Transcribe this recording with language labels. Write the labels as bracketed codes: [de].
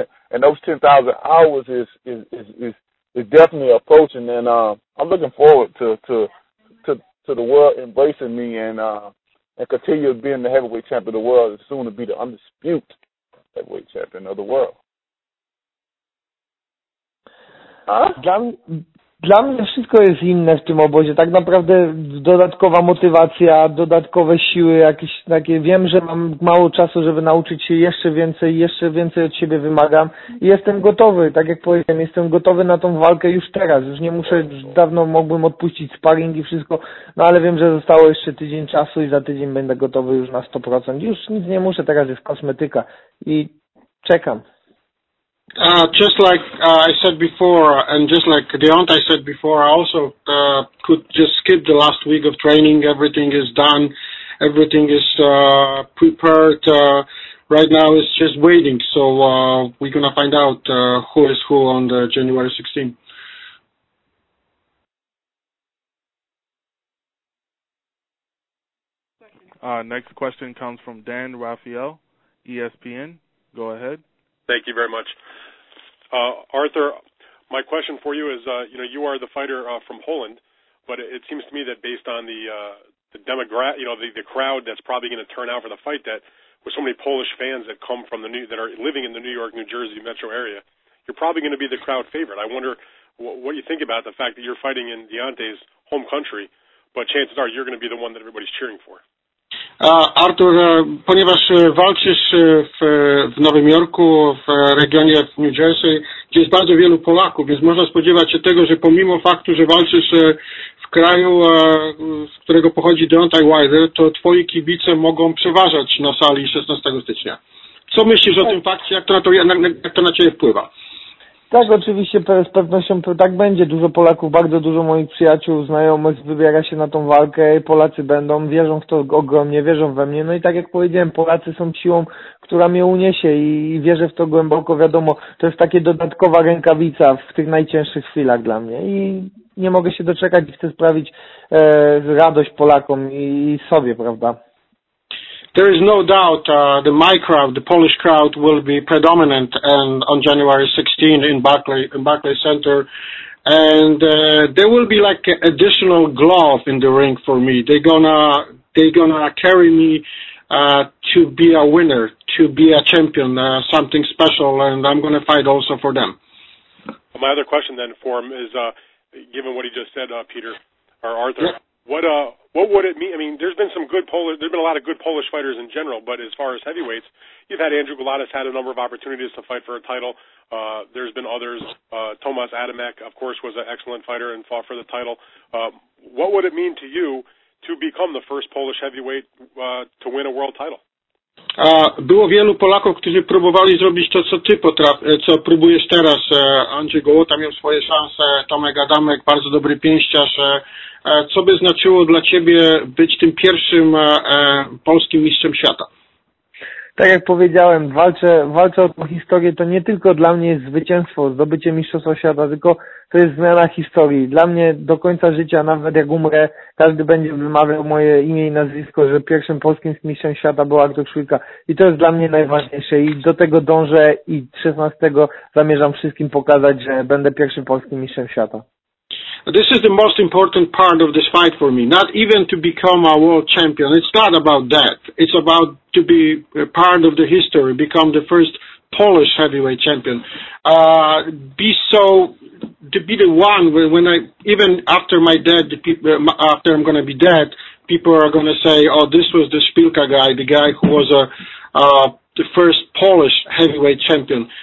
[en] And those 10,000 hours is definitely approaching, and I'm looking forward to the world embracing me and continue being the heavyweight champion of the world, and soon to be the undisputed heavyweight champion of the world. Huh? [pl] Dla mnie wszystko jest inne w tym obozie. Tak naprawdę dodatkowa motywacja, dodatkowe siły jakieś takie. Wiem, że mam mało czasu, żeby nauczyć się jeszcze więcej od siebie wymagam. I jestem gotowy, tak jak powiedziałem, jestem gotowy na tą walkę już teraz. Już nie muszę, już dawno mogłem odpuścić sparing i wszystko, no ale wiem, że zostało jeszcze tydzień czasu i za tydzień będę gotowy już na 100%. Już nic nie muszę, teraz jest kosmetyka i czekam. [en] Just like I said before, and just like Deontay said before, I also could just skip the last week of training. Everything is done. Everything is prepared. Right now it's just waiting. So we're going to find out who is who on the January 16th. Next question comes from Dan Raphael, ESPN. Go ahead. Thank you very much. Arthur, my question for you is, you know, you are the fighter from Poland, but it seems to me that based on the demographic, you know, the crowd that's probably going to turn out for the fight, that with so many Polish fans that come from that are living in the New York, New Jersey metro area, you're probably going to be the crowd favorite. I wonder what you think about the fact that you're fighting in Deontay's home country, but chances are you're going to be the one that everybody's cheering for. [pl] Artur, ponieważ walczysz w Nowym Jorku, w regionie w New Jersey, gdzie jest bardzo wielu Polaków, więc można spodziewać się tego, że pomimo faktu, że walczysz w kraju, z którego pochodzi Deontay Wilder, to twoi kibice mogą przeważać na sali 16 stycznia. Co myślisz o tym fakcie, jak to na ciebie wpływa? Tak, oczywiście, z pewnością tak będzie. Dużo Polaków, bardzo dużo moich przyjaciół, znajomych wybiera się na tą walkę. Polacy będą, wierzą w to ogromnie, wierzą we mnie. No i tak jak powiedziałem, Polacy są siłą, która mnie uniesie i wierzę w to głęboko. Wiadomo, to jest taka dodatkowa rękawica w tych najcięższych chwilach dla mnie. I nie mogę się doczekać i chcę sprawić radość Polakom i sobie, prawda? [en] There is no doubt the Polish crowd will be predominant on January 16th in Barclays Center. And there will be like an additional glove in the ring for me. They're gonna carry me to be a winner, to be a champion, something special, and I'm gonna fight also for them. Well, my other question then for him is, given what he just said, Peter, or Arthur, yeah. What would it mean? I mean, there's been a lot of good Polish fighters in general, but as far as heavyweights, you've had Andrew Golatis had a number of opportunities to fight for a title. There's been others. Tomasz Adamek, of course, was an excellent fighter and fought for the title. What would it mean to you to become the first Polish heavyweight to win a world title? [pl] Było wielu Polaków, którzy próbowali zrobić to, co ty co próbujesz teraz. Andrzej Gołota miał swoje szanse, Tomek Adamek, bardzo dobry pięściarz. Co by znaczyło dla ciebie być tym pierwszym polskim mistrzem świata? Tak jak powiedziałem, walczę o tą historię, to nie tylko dla mnie jest zwycięstwo, zdobycie mistrzostwa świata, tylko to jest zmiana historii. Dla mnie do końca życia, nawet jak umrę, każdy będzie wymawiał moje imię i nazwisko, że pierwszym polskim mistrzem świata był Artur Szwilka. I to jest dla mnie najważniejsze i do tego dążę i 16 zamierzam wszystkim pokazać, że będę pierwszym polskim mistrzem świata. [en] This is the most important part of this fight for me, not even to become a world champion. It's not about that. It's about to be a part of the history, become the first Polish heavyweight champion. To be the one, when I, even after my death, the after I'm going to be dead, people are going to say, oh, this was the Szpilka guy, the guy who was the first Polish heavyweight champion.